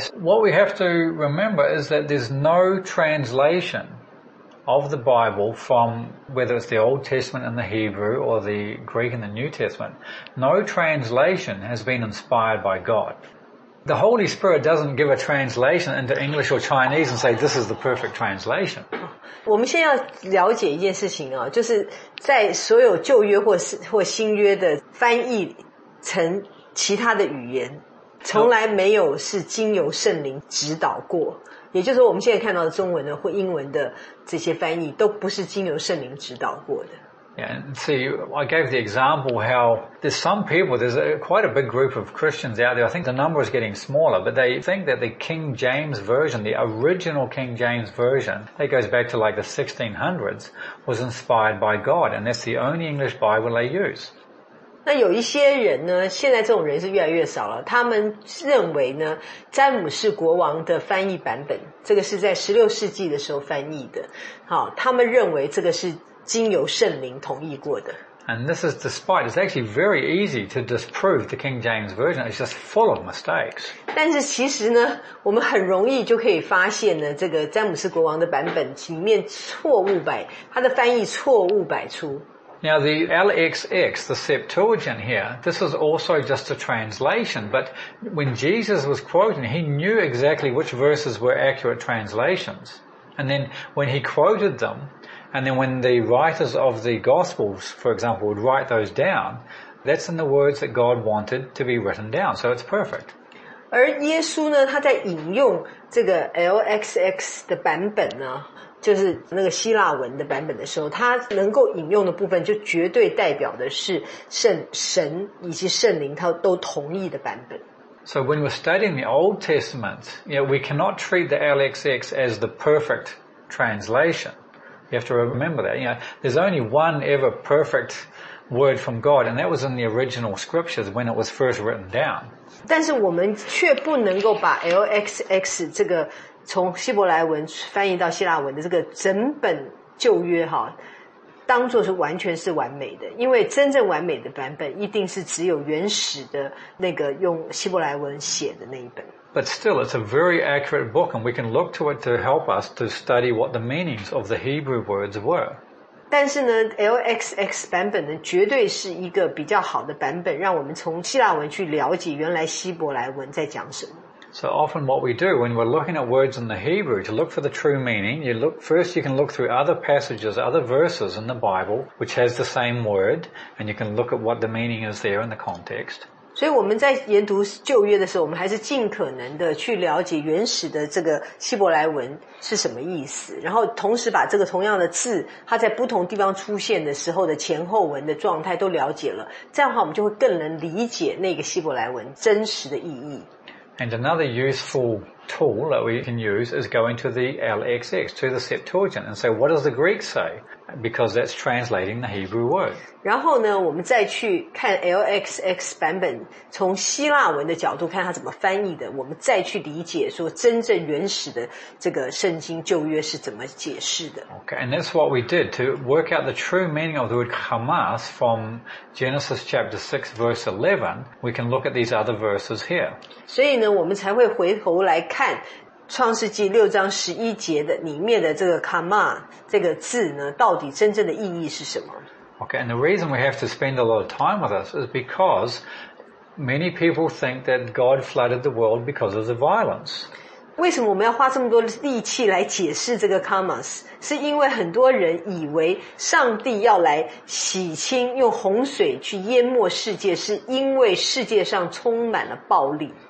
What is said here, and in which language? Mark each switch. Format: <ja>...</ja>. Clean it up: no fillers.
<en>So what we have to remember is that there's no translation of the Bible from whether it's the Old Testament in the Hebrew or the Greek in the New Testament. No translation has been inspired by God. The Holy Spirit doesn't give a translation into English or Chinese and say, this is the perfect translation.</en> <zh>我们先要了解一件事情啊，就是在所有旧约或新约的翻译成其他的语言，从来没有是经由圣灵指导过。也就是说我们现在看到的中文的或英文的这些翻译都不是经由圣灵指导过的。</zh> <en>Yeah, and see, I gave the example how there's some people, there's quite a big group of Christians out there. I think the number is getting smaller, but they think that the King James Version, the original King James Version, that goes back to like the 1600s, was inspired by God, and that's the only English Bible they use.</en> <zh>那有一些人呢，现在这种人是越来越少了，他们认为呢，詹姆士国王的翻译版本，这个是在16世纪的时候翻译的，好，他们认为这个是经由圣灵同意过的。</zh> <en>And this is despite, it's actually very easy to disprove the King James Version. It's just full of mistakes.</en> <zh>但是其实呢，我们很容易就可以发现呢，这个詹姆士国王的版本里面错误百，他的翻译错误百出。</zh> <en>Now the LXX, the Septuagint here, this is also just a translation, but when Jesus was quoting, he knew exactly which verses were accurate translations. And then when he quoted them,And then when the writers of the Gospels, for example, would write those down, that's in the words that God wanted to be written down. So it's perfect.</en> <zh>而耶稣呢，他在引用这个 LXX 的版本呢，就是那个希腊文的版本的时候，他能够引用的部分就绝对代表的是神以及圣灵他都同意的版本。</zh> <en>So when we're studying the Old Testament, you know, we cannot treat the LXX as the perfect translation. You have to remember that. You know, there's only one ever perfect word from God, and that was in the original scriptures when it was first written down.</en> <zh>但是我们却不能够把 LXX 这个从希伯来文翻译到希腊文的这个整本旧约哈，当作是完全是完美的，因为真正完美的版本一定是只有原始的那个用希伯来文写的那一本。</zh> <en>But still, it's a very accurate book, and we can look to it to help us to study what the meanings of the Hebrew words were.</en> <zh>但是呢 ，LXX 版本呢，绝对是一个比较好的版本，让我们从希腊文去了解原来希伯来文在讲什么。</zh> <en>So often, what we do when we're looking at words in the Hebrew to look for the true meaning, you look first. You can look through other passages, other verses in the Bible which has the same word, and you can look at what the meaning is there in the context.</en> <zh>所以我们在研读旧约的时候，我们还是尽可能的去了解原始的这个希伯来文是什么意思，然后同时把这个同样的字，它在不同地方出现的时候的前后文的状态都了解了，这样的话我们就会更能理解那个希伯来文真实的意义。</zh> <en>And another useful tool that we can use is going to the LXX, to the Septuagint, and say, what does the Greek say? Because that's translating the Hebrew word.</en> <zh>然后呢，我们再去看 LXX 版本，从希腊文的角度看它怎么翻译的，我们再去理解说真正原始的这个圣经旧约是怎么解释的。</zh> <en>Okay, and that's what we did to work out the true meaning of the word Hamas from Genesis chapter 6 verse 11. We can look at these other verses here.</en> <zh>所以呢，我们才会回头来看创世纪六章十一节的里面的这个 kama 这个字呢，到底真正的意义是什么？</zh> <en>Okay, and the reason we have to spend a lot of time with this is because many people think that God flooded the world because of the violence.</en> <zh>为什么我们要花这么多力气来解释这个 kama？是因为很多人以为上帝要来洗清，用洪水去淹没世界，是因为世界上充满了暴力。</zh>